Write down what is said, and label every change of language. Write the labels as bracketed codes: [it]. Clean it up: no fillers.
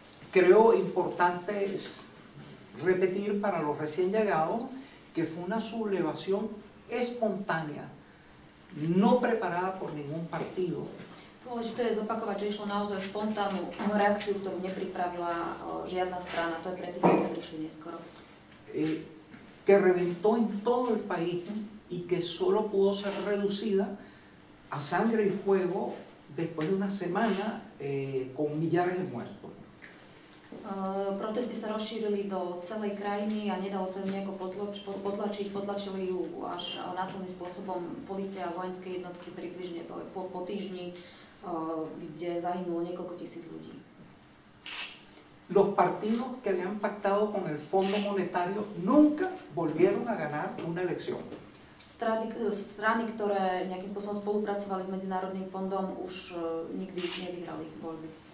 [es] Creo importante repetir para los recién llegados que fue una sublevación espontánea, no preparada por ningún partido. [sk] Dôležité je zopakovať, že išlo naozaj spontánnu reakciu, ktorú nepripravila žiadna strana, to je pre tých, ktorí prišli neskoro. [es] Que reventó en todo el país y que solo pudo ser reducida a sangre y fuego después de una semana con millares de muertos. [sk] Protesty sa rozšírili do celej krajiny a nedalo sa ju nejako potlačiť. Potlačili ju až násilným spôsobom polícia a vojenské jednotky približne po týždni, kde zahynulo niekoľko tisíc ľudí. [es] Los partidos que habían pactado con el Fondo Monetario nunca volvieron a ganar una elección. [sk] Strany, ktoré nejakým spôsobom spolupracovali s Medzinárodným fondom, už nikdy nevyhrali voľby.